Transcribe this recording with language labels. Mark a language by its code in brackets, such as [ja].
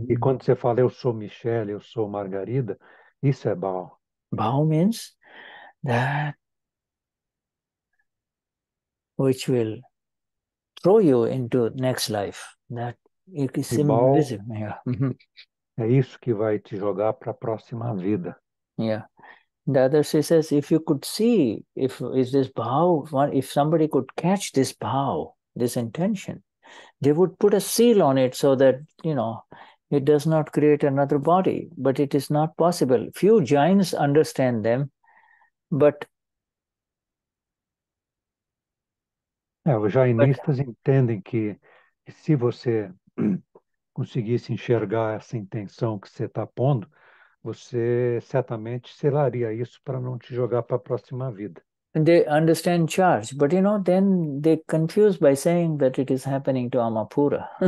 [pt] quando você fala eu sou Michele, eu sou Margarida, isso é Bhav. [en] Bhav means that which will throw you into next life. That it is invisible. [pt] É isso que vai te jogar para a próxima vida. [en] Yeah. The other, she says, if you could see, if is this Bhav, if somebody could catch this Bhav, this intention, they would put a seal on it so that, you know, it does not create another body, but it is not possible. Few Jains understand them, but. [pt] É, os jainistas entendem que se você conseguisse enxergar essa intenção que você está pondo, você certamente selaria isso para não te jogar para a próxima vida. [en] And they understand charge, but you know, then they confuse by saying that it is happening to Amapura.